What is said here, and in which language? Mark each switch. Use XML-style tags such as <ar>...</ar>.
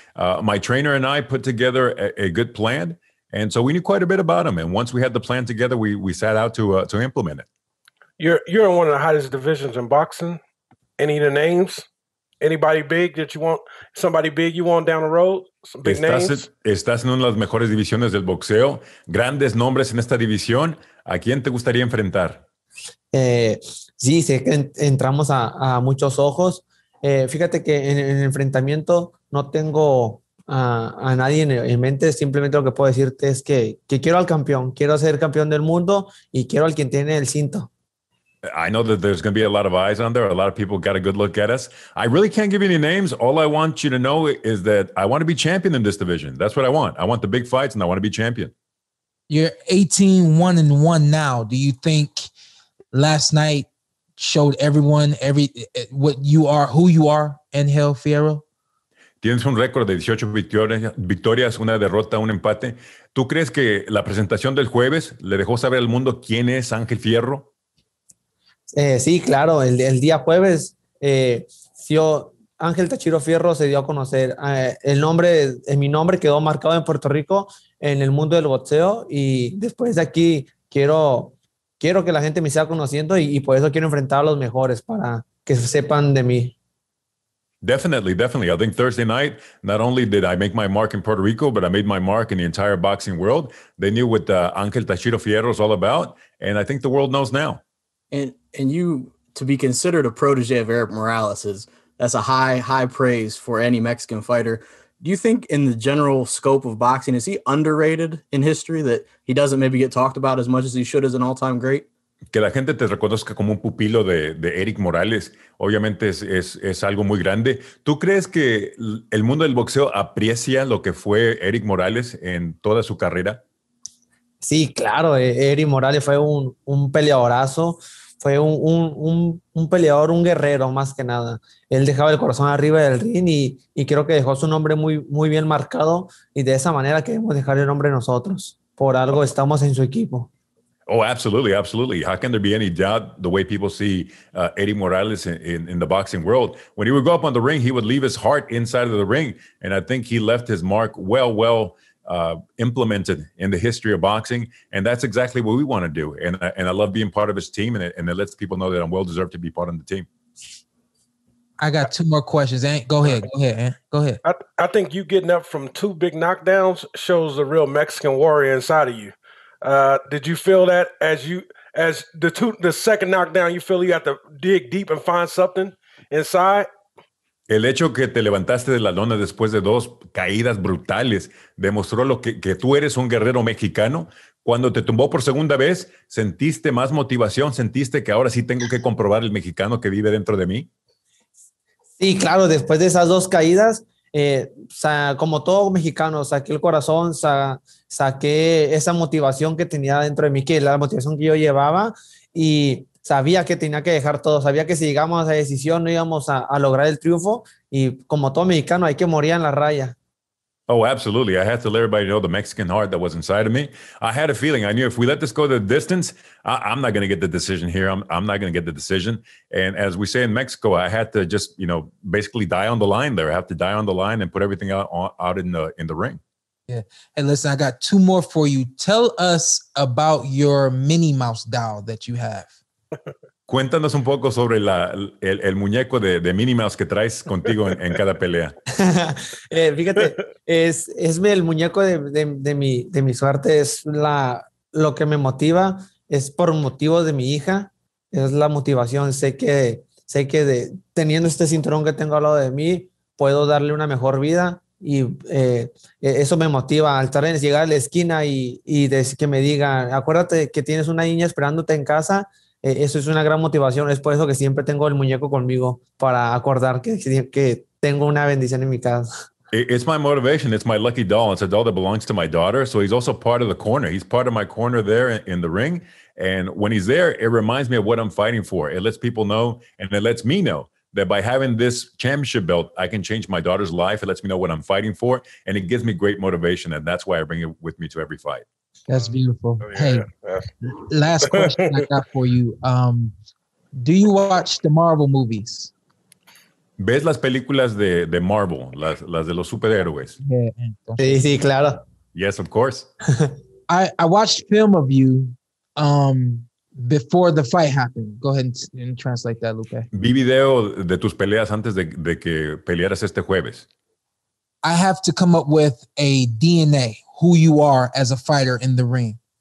<en>My trainer and I put together a good plan. And so we knew quite a bit about him. And once we had the plan together, we sat out to implement it. You're in one of the hottest divisions in boxing. Any of the names? Anybody big that you want? Somebody big you want down the road?</en> <es>Estás en una de las mejores divisiones del boxeo. Grandes nombres en esta división. ¿A quién te gustaría enfrentar? Sí, sé que entramos a muchos ojos. Fíjate que en el enfrentamiento no tengo a nadie en mente. Simplemente lo que puedo decirte es que quiero al campeón. Quiero ser campeón del mundo y quiero al quien tiene el cinto.</es> <en>I know that there's going to be a lot of eyes on there. A lot of people got a good look at us. I really can't give you any names. All I want you to know is that I want to be champion in this division. That's what I want. I want the big fights and I want to be champion. You're 18-1-1 now. Do you think last night showed everyone what you are, who you are, Angel Fierro?</en> <es>Tienes un récord de 18 victorias, una derrota, un empate. ¿Tú crees que la presentación del jueves le dejó saber al mundo quién es Angel Fierro? Sí, claro, el día jueves, yo Ángel Tachiro Fierro se dio a conocer. Mi nombre quedó marcado en Puerto Rico en el mundo del boxeo, y después de aquí quiero que la gente me siga conociendo, y por eso quiero enfrentar a los mejores para que sepan de mí.</es> <en>Definitely, definitely. I think Thursday night, not only did I make my mark in Puerto Rico, but I made my mark in the entire boxing world. They knew what Ángel Tachiro Fierro is all about, and I think the world knows now. And you, to be considered a protege of Eric Morales, is that's a high, high praise for any Mexican fighter. Do you think in the general scope of boxing, is he underrated in history, that he doesn't maybe get talked about as much as he should as an all-time great?</en> <es>Que la gente te reconozca como un pupilo de Eric Morales, obviamente es algo muy grande. ¿Tú crees que el mundo del boxeo aprecia lo que fue Eric Morales en toda su carrera? Sí, claro. Eric Morales fue un peleadorazo, fue un peleador, un guerrero más que nada. Él dejaba el corazón arriba del ring y creo que dejó su nombre muy, muy bien marcado, y de esa manera queremos dejar el nombre nosotros. Por algo estamos en su equipo.</es> <en>Oh, absolutely, absolutely. How can there be any doubt the way people see Eddie Morales in the boxing world? When he would go up on the ring, he would leave his heart inside of the ring. And I think he left his mark well implemented in the history of boxing. And that's exactly what we want to do. And I love being part of his team. And it lets people know that I'm well-deserved to be part of the team. I got two more questions. Go ahead. I think you getting up from two big knockdowns shows the real Mexican warrior inside of you. Did you feel that as the second knockdown, you feel you have to dig deep and find something inside?</en> <es>El hecho que te levantaste de la lona después de dos caídas brutales demostró lo que tú eres un guerrero mexicano. Cuando te tumbó por segunda vez, ¿sentiste más motivación? ¿Sentiste que ahora sí tengo que comprobar el mexicano que vive dentro de mí? Sí, claro, después de esas dos caídas, como todo mexicano, saqué el corazón, saqué esa motivación que tenía dentro de mí, que era la motivación que yo llevaba, y sabía que tenía que dejar todo, sabía que si llegamos a esa decisión no íbamos a lograr el triunfo, y como todo mexicano hay que morir en la raya.</es> <en>Oh, absolutely. I had to let everybody know the Mexican heart that was inside of me. I had a feeling. I knew if we let this go the distance, I'm not going to get the decision here. I'm not going to get the decision. And as we say in Mexico, I had to just, you know, basically die on the line there. I have to die on the line and put everything out in the ring. Yeah. And listen, I got two more for you. Tell us about your Minnie Mouse doll that you have.</en> <es>Cuéntanos un poco sobre el muñeco de Minnie Mouse que traes contigo en cada pelea. fíjate, es el muñeco de mi suerte, es lo que me motiva, es por motivo de mi hija, es la motivación. Sé que teniendo este cinturón que tengo al lado de mí, puedo darle una mejor vida, y eso me motiva al estar llegar a la esquina y que me digan, acuérdate que tienes una niña esperándote en casa. Eso es una gran motivación. Es por eso que siempre tengo el muñeco conmigo, para acordar que tengo una bendición en mi casa.</es> <en>It's my motivation. It's my lucky doll. It's a doll that belongs to my daughter. So he's also part of the corner. He's part of my corner there in the ring. And when he's there, it reminds me of what I'm fighting for. It lets people know, and it lets me know, that by having this championship belt, I can change my daughter's life. It lets me know what I'm fighting for. And it gives me great motivation. And that's why I bring it with me to every fight. That's beautiful. Oh, yeah, hey, yeah. Last question I got for you. Do you watch the Marvel movies?</en> <es>¿Ves las películas de Marvel, las de los superhéroes? Yeah. Sí, claro.</es> <en>Yes, of course. I watched film of you before the fight happened. Go ahead and translate that, Lupe.</en> <es>Vi video de tus peleas antes de que pelearas este jueves.</es> <en>I have to come up with a DNA. Who you are as a fighter in the ring.</en>